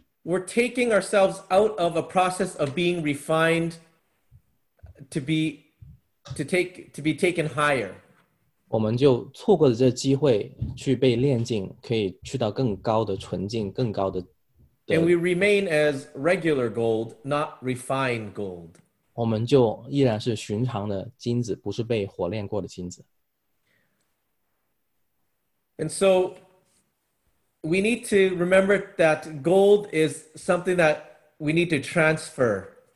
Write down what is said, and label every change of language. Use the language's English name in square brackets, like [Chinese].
[English] We're taking ourselves out of a process of being refined to be taken higher. [Chinese] 我们就错过了这个机会去被炼净，可以去到更高的纯净，更高的。 [English] And we remain as regular gold, not refined gold. [Chinese] 我们就依然是寻常的金子，不是被火炼过的金子。 [English] And so we need to remember that gold is something that we need to transfer.